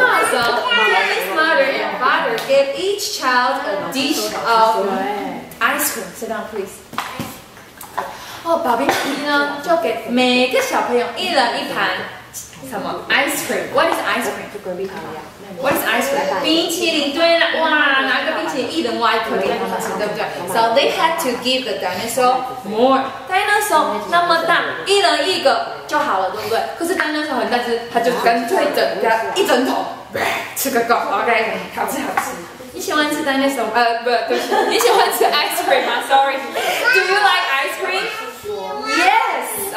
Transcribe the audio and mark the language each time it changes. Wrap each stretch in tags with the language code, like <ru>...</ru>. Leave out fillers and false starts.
<en>So Danny's mother and father gave each child a dish of ice cream. Sit down, please.</en> <zh>哦，爸比呢就给每个小朋友一人一盘什么 ice cream？</zh> <en>What is ice cream？</en> <zh>What is ice cream？ 冰淇淋，对了，哇，拿个冰淇淋一人挖一颗给他们吃，对不对？</zh> <en>So they had to give the dinosaur more.</en> <zh>Dinosaur 那么大，一人一个就好了，对不对？可是 dinosaur 很大只，他就干脆整个一整桶吃个够， OK， 好吃好吃。你喜欢吃 dinosaur？不，对，你喜欢吃 ice cream 吗？</zh> <en>Sorry， Do you like ice cream？ Yes，</en>